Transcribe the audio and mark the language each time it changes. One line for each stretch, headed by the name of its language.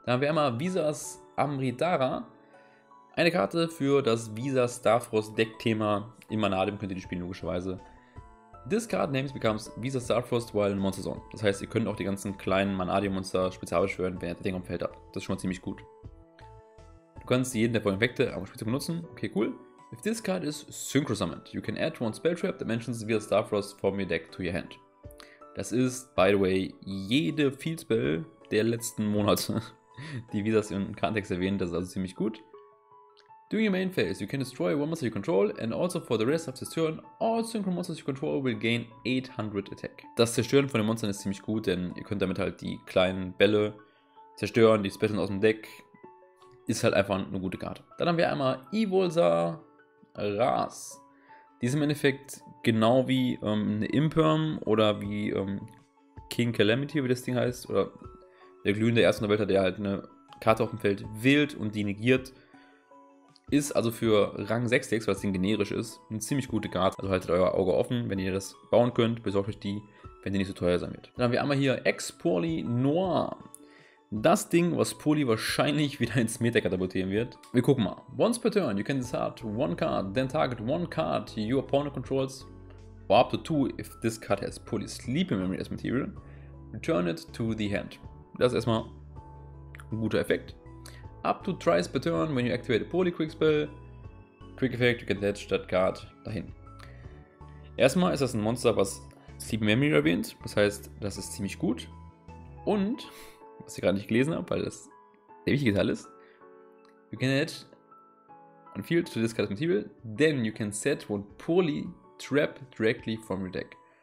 German: Dann haben wir einmal Visas Amrithara. Eine Karte für das Visa Starfrost Deckthema im Manadium könnt ihr die spielen, logischerweise.
English: Discard Names becomes Visa Starfrost while in Monster Zone.
German: Das heißt, ihr könnt auch die ganzen kleinen Manadium Monster spezial beschwören, wenn ihr das Ding auf dem Feld habt. Das ist schon mal ziemlich gut. Du kannst jeden der folgenden Effekte am Spiel benutzen. Okay, cool.
English: If this card is Synchro Summoned, you can add one Spell Trap that mentions Visa Starfrost from your deck to your hand.
German: Das ist,
English: by the way,
German: jede Field Spell der letzten Monate, die Visas in Kartentext erwähnt. Das ist also ziemlich gut.
English: During your main phase, you can destroy one monster you control and also for the rest of this turn, all Synchro Monsters you control will gain 800 Attack.
German: Das Zerstören von den Monstern ist ziemlich gut, denn ihr könnt damit halt die kleinen Bälle zerstören, die Specials aus dem Deck. Ist halt einfach eine gute Karte. Dann haben wir einmal Evolza Ras. Die ist im Endeffekt genau wie eine Imperm oder wie King Calamity, wie das Ding heißt, oder der glühende Erste in der Welt, der halt eine Karte auf dem Feld wählt und die negiert. Ist also für Rang 6 Decks, weil das Ding generisch ist, eine ziemlich gute Karte. Also haltet euer Auge offen, wenn ihr das bauen könnt, besorgt euch die, wenn die nicht so teuer sein wird. Dann haben wir einmal hier Ex-Poly Noir. Das Ding, was Poly wahrscheinlich wieder ins Meta katapultieren wird. Wir gucken mal.
English: Once per turn, you can discard one card, then target one card your opponent controls, or up to two if this card has Poly Sleep in Memory as Material, return it to the hand.
German: Das ist erstmal ein guter Effekt.
English: Up to thrice per turn, when you activate a Poly Quick Spell, Quick Effect, you can attach that card dahin.
German: Erstmal ist das ein Monster, was Sleep Memory erwähnt, das heißt, das ist ziemlich gut. Und, was ich gerade nicht gelesen habe, weil das der wichtige Teil ist,
English: you can attach on field to this card as material, then you can set one Poly Trap directly from your deck.